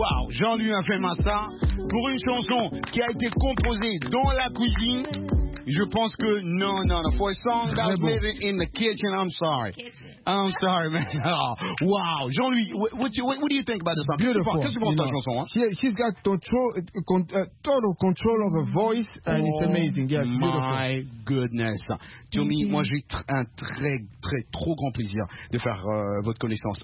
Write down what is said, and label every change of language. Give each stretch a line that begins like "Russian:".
French: Jean-Louis a fait ça pour une chanson qui a été composée dans la cuisine. Je pense que non.
English: For a song that's written in the kitchen, I'm sorry, man. Oh, wow, Jean-Louis, what do you think about this song? Beautiful.
French: Qu'est-ce que tu penses de la chanson?
English: She's got total control of her voice, and it's amazing. Yeah, my goodness.
French: Tommy, moi j'ai un trop grand plaisir de faire votre connaissance.